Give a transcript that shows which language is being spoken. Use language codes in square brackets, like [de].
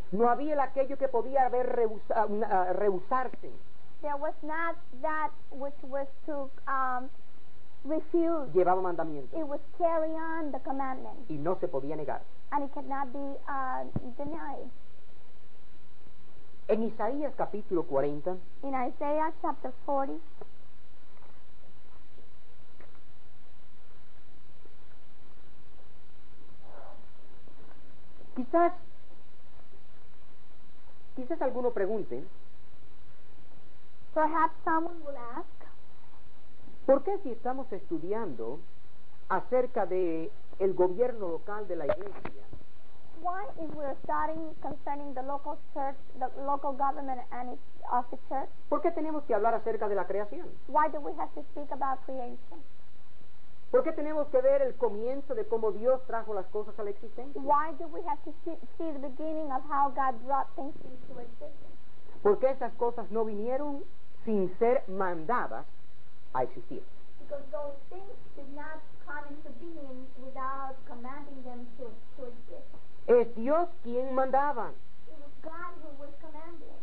[es] No había aquello que podía haber rehusarse. [en] There was not that which was to refuse. [es] Llevaba mandamiento. [en] It was carry on the commandment. [es] Y no se podía negar. [en] And it cannot be denied. [es] En Isaías capítulo 40. [en] In Isaiah chapter 40. [es] Quizás alguno pregunte. [en] Perhaps someone will ask. [es] ¿Por qué si estamos estudiando acerca de el gobierno local de la iglesia? [en] Why if we are studying concerning the local church, the local government and its of the church? [es] ¿Por qué tenemos que hablar acerca de la creación? [en] Why do we have to speak about creation? [es] ¿Por qué tenemos que ver el comienzo de cómo Dios trajo las cosas a la existencia? [en] Why do we have to see the beginning of how God brought things into existence? [es] ¿Por qué esas cosas no vinieron sin ser mandadas a existir? [en] Because those things did not come into being without commanding them to exist. [es] ¿Es Dios quien mandaba? [en] It was God who was commanding.